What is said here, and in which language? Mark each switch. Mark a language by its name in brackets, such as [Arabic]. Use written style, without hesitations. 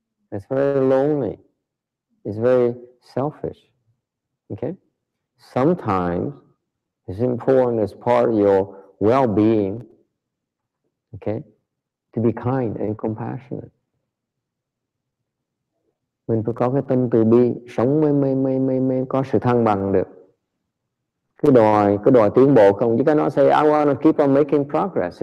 [English] It's very lonely. It's very selfish, okay? Sometimes it's important as part of your well-being, okay, to be kind and compassionate. [Vietnamese] Mình phải có cái tâm từ bi, sống mới có sự thăng bằng được. Cứ đòi tiến bộ không? [English] You cannot say, I want to keep on making progress.